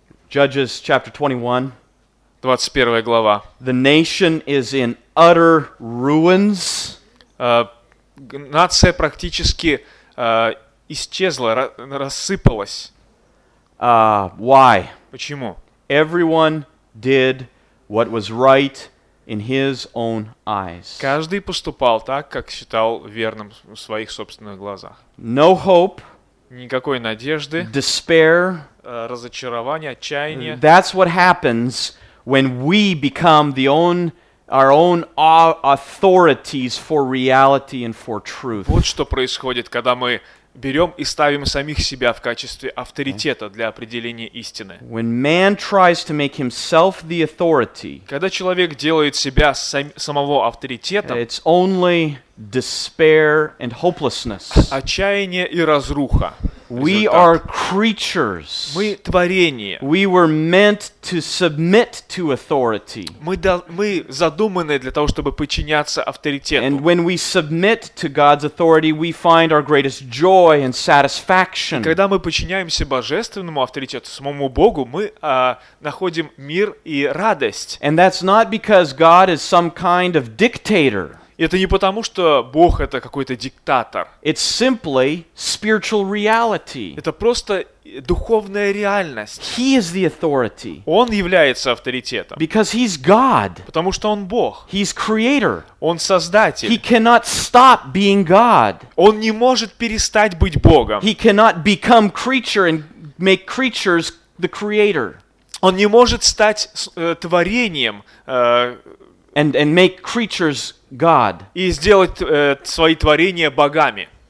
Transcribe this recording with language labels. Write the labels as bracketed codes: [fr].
[en] Judges chapter 21. [ru] 21 глава. [en] The nation is in utter ruins. [ru] Нация практически исчезла, рассыпалась. [en] Why? [ru] Почему? [en] Everyone did what was right in his own eyes. [ru] Каждый поступал так, как считал верным в своих собственных глазах. [en] No hope. [ru] Никакой надежды. [en] Despair. [ru] Разочарование, отчаяние. [en] That's what happens when we become our own authorities for reality and for truth. [ru] Вот что происходит, когда мы берем и ставим самих себя в качестве авторитета для определения истины. [en] When man tries to make himself the authority, [ru] когда человек делает себя самого авторитетом, [en] it's only despair and hopelessness. [ru] Отчаяние и разруха. [en] We are creatures. [ru] Мы творение. [en] We were meant to submit to authority. [ru] Мы задуманы для того, чтобы подчиняться авторитету. [en] And when we submit to God's authority, we find our greatest joy and satisfaction. [ru] Когда мы подчиняемся божественному авторитету, самому Богу, мы находим мир и радость. [en] And that's not because God is some kind of dictator. [ru] Это не потому, что Бог — это какой-то диктатор. [en] It's simply spiritual reality. [ru] Это просто духовная реальность. [en] He is the authority. [ru] Он является авторитетом. [en] Because he's God. [ru] Потому что он Бог. [en] He's creator. [ru] Он создатель. [en] He cannot stop being God. [ru] Он не может перестать быть Богом. [en] He cannot become creature and make creatures the creator. [ru] Он не может стать творением [en] and make creatures God. [ru] И сделать свои творения богами.